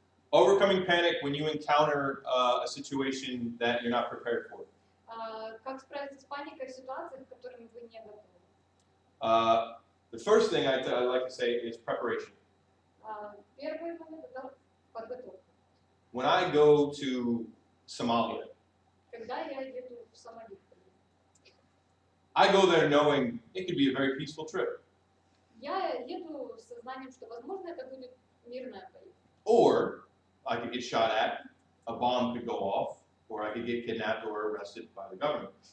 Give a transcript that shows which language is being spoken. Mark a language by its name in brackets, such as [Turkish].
[English] Overcoming panic when you encounter a situation that you're not prepared for. [Russian] Как справиться с паникой в ситуациях, к которым вы не готовы? [English] The first thing I like to say is preparation. [Russian] Первый момент — это подготовка. [English] When I go to Somalia, [Russian] когда я еду в Сомали, [English] I go there knowing it could be a very peaceful trip. [Russian] Я еду с сознанием, что возможно это будет мирная поездка. [English] Or I could get shot at, a bomb could go off, or I could get kidnapped or arrested by the government.